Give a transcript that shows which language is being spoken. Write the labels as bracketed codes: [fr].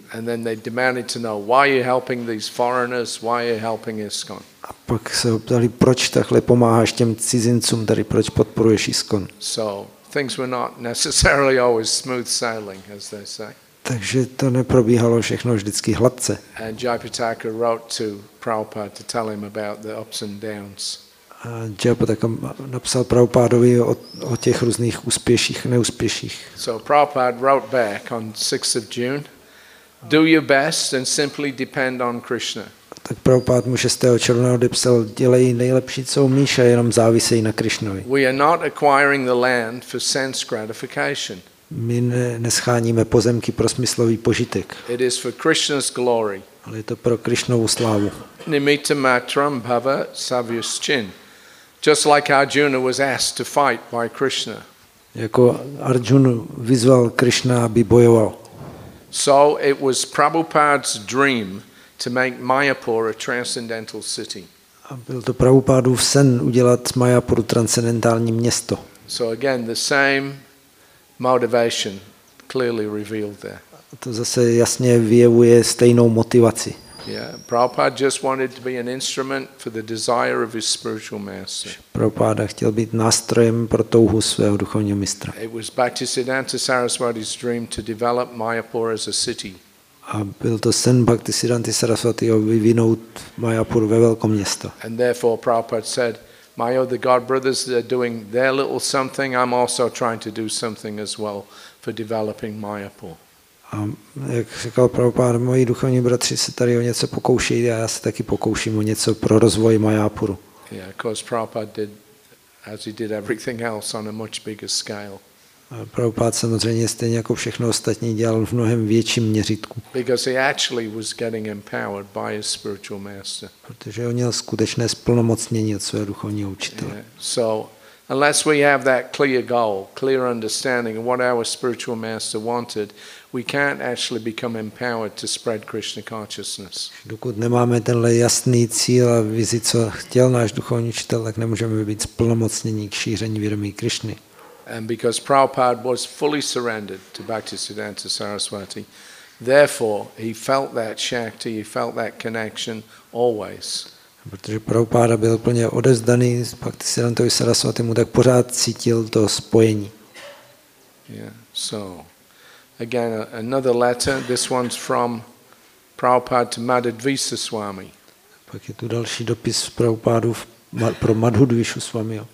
[en] And then they demanded to know why you're helping these foreigners, why you're helping ISKCON. [cs] A pak se ho ptali, proč takhle pomáháš těm cizincům, tady proč podporuješ ISKCON. [en] So things were not necessarily always smooth sailing, as they say. [cs] Takže to neprobíhalo všechno vždycky hladce. [en] And Jayaprataka wrote to Prabhupada to tell him about the ups and downs. [cs] A Jayaprataka napsal Prabhupádovi o těch různých úspěších a neúspěších. [en] So Prabhupada wrote back on 6th of June, do your best and simply depend on Krishna. [cs] Tak Prabhupada mu 6. června odepsal, dělej nejlepší, co umíš a jenom závisej na Krishnovi. [en] We are not acquiring the land for sense gratification. [cs] My nescháníme pozemky pro smyslový požitek. [en] It is for Krishna's glory. [cs] Ale je to pro Krishnovu slávu. [sa] Nimitta matram bhava savyaschin. [en] Just like Arjuna was asked to fight by Krishna. [cs] Jako Arjuna vyzval Krishna, aby bojoval. [en] So it was Prabhupada's dream to make Mayapur a transcendental city. [cs] A byl to Prabhupádův sen udělat Mayapuru transcendentální město. [en] So again the same motivation clearly revealed there. [cs] To zase jasně vyjevuje stejnou motivaci. [en] Yeah, Prabhupada just wanted to be an instrument for the desire of his spiritual master. [cs] Prabhupada chtěl být nástrojem pro touhu svého duchovního mistra. [en] It was Bhaktisiddhanta Saraswati's dream to develop Mayapur as a city. [cs] A byl to sen Bhaktisiddhanty Saraswati vyvinout Mayapur ve velkém městě. [en] And therefore Prabhupada said, my other god brothers are doing their little something, I'm also trying to do something as well for developing Mayapur. [cs] A jak říkal Prabhupád, moji duchovní bratři se tady o něco pokouší a já se taky pokouším o něco pro rozvoj Mayapuru. [en] Yeah, because Prabhupád did, as he did everything else, on a much bigger scale. [cs] Prabhupád samozřejmě stejně jako všechno ostatní dělal v mnohem větším měřítku. [en] Because he actually was getting empowered by his spiritual master. [cs] Protože on měl skutečné splnomocnění od svého duchovního učitele. [en] Yeah, so unless we have that clear goal, clear understanding of what our spiritual master wanted, we can't actually become empowered to spread Krishna consciousness. [cs] Dokud nemáme tenhle jasný cíl a vizi, co chtěl náš duchovní učitel, tak nemůžeme být splnomocněni k šíření vědomí Krišny. [en] And because Prabhupada was fully surrendered to Bhaktisiddhanta Saraswati, therefore he felt that shakti, he felt that connection always. [cs] Protože Prabhupada byl plně odevzdaný Bhaktisiddhantovi Sarasvatimu, tak pořád cítil to spojení. [en] Yeah, so again another letter, this one's from Prabhupada to Madhvadvisa Swami. [cs] Pak je tu další dopis Prabhupádu pro Madhvadvisu Swamiho.